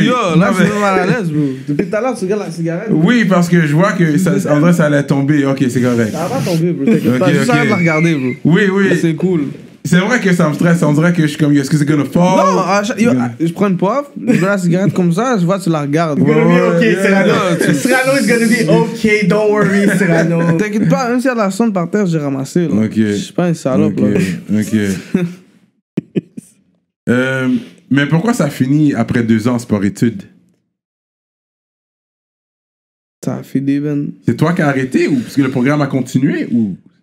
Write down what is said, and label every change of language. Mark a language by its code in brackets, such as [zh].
[fr] Tu me mets mal à l'aise, bro. Depuis tout à l'heure, tu regardes la cigarette. Oui, parce que je vois que ça allait tomber. Ok, c'est correct. Ça va pas tomber, bro. T'inquiète pas, juste à regarder, bro. Oui. Là, c'est cool. C'est vrai que ça me stresse, on dirait que je suis comme, est-ce que c'est [en] gonna fall? [fr] Non, je prends une poivre, je mets la cigarette comme ça, je vois, tu la regardes. [en] Ouais, Serrano is gonna be okay, don't worry, Serrano. [fr] T'inquiète pas, même si elle a la sonde par terre, j'ai ramassé. Là. Ok. Je suis pas un salope. Ok. mais pourquoi ça finit après 2 ans sport-études? Ça a fini, Ben. C'est toi qui as arrêté ou parce que le programme a continué ou?